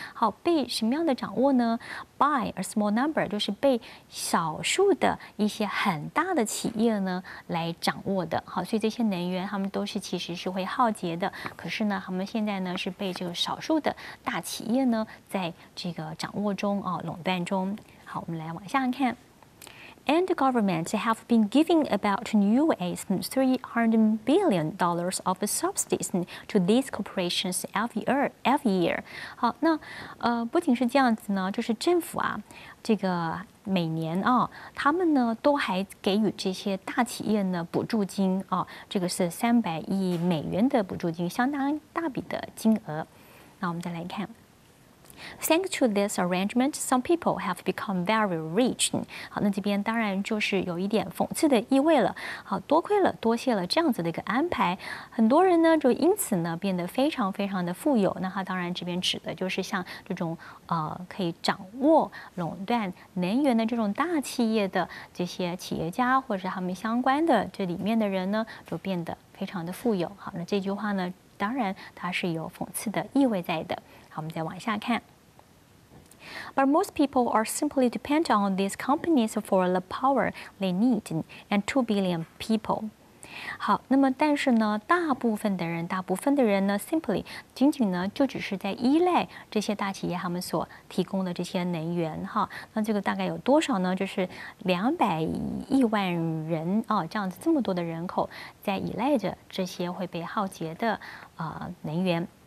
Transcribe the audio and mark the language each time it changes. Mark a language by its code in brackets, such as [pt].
[zh] 好，被什么样的掌握呢 ？ [en] By a small number， [zh] 就是被少数的一些很大的企业呢来掌握的。好，所以这些能源它们都是其实是会耗竭的。可是呢，它们现在呢是被这个少数的大企业呢在这个掌握中啊，垄断中。好，我们来往下看。 [en] And the government have been giving about US $300 billion of subsidies to these corporations every year. [zh] 好，那不仅是这样子呢，就是政府啊，这个每年啊，他们呢都还给予这些大企业呢补助金啊，这个是300亿美元的补助金，相当大笔的金额。那我们再来看。 [en] Thanks to this arrangement, some people have become very rich. [zh] 好，那这边当然就是有一点讽刺的意味了。好，多亏了，多谢了这样子的一个安排，很多人呢就因此呢变得非常非常的富有。那他当然这边指的就是像这种可以掌握垄断能源的这种大企业的这些企业家，或者是他们相关的这里面的人呢，就变得非常的富有。好，那这句话呢，当然它是有讽刺的意味在的。好，我们再往下看。 [en] But most people are simply dependent on these companies for the power they need, and 2 billion people. [zh] 好，那么但是呢，大部分的人呢 ，simply 仅仅呢，就只是在依赖这些大企业他们所提供的这些能源哈。那这个大概有多少呢？就是200亿万人啊，这样子这么多的人口在依赖着这些会被耗竭的能源。